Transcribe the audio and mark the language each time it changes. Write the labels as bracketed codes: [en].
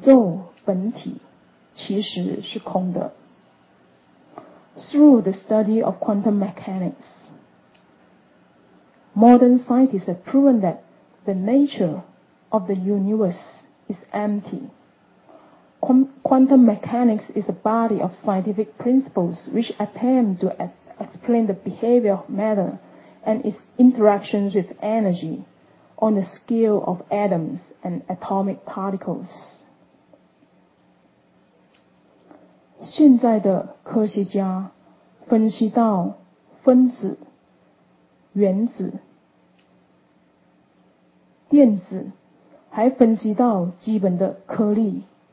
[zh] 现代的科学家用这个量子力学是一个微细观察物质的物理学理论证明了这一点宇宙本体其实是空的。 [en] Through the study of quantum mechanics, modern scientists have proven that the nature of the universe is empty. Quantum mechanics is a body of scientific principles which attempt to explain the behavior of matter and its interactions with energy on the scale of atoms and atomic particles. [zh] 现在的科学家分析到分子、原子、电子，还分析到基本的颗粒。